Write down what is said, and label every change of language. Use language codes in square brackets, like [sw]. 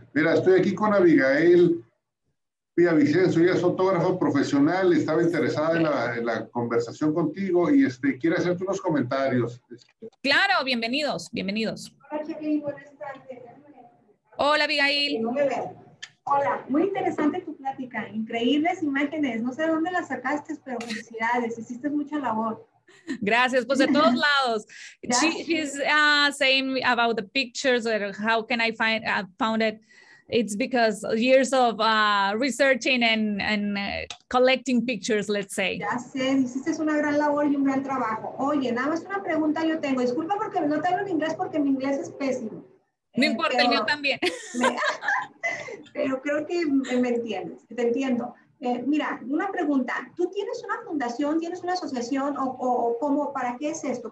[es] Mira, estoy aquí con Abigail Villavicencio, ella es fotógrafa profesional, estaba interesada en la conversación contigo y quiere hacerte unos comentarios. Claro, bienvenidos, bienvenidos. Hola, Charlene, buenas tardes. Hola, Abigail. Hola, muy interesante tu plática, increíbles imágenes, no sé de dónde las sacaste, pero felicidades, hiciste mucha labor. Gracias, pues de todos lados. [en] She's saying about the pictures or how can I find found it. It's because years of researching and collecting pictures, let's say. [es] Ya sé, hiciste una gran labor y un gran trabajo. Oye, nada más una pregunta yo tengo. Disculpa porque no te hablo en inglés porque mi inglés es pésimo. No importa, el mío también. pero creo que me entiendes, te entiendo. Mira, una pregunta. ¿Tú tienes una fundación, tienes una asociación o cómo, para qué es esto?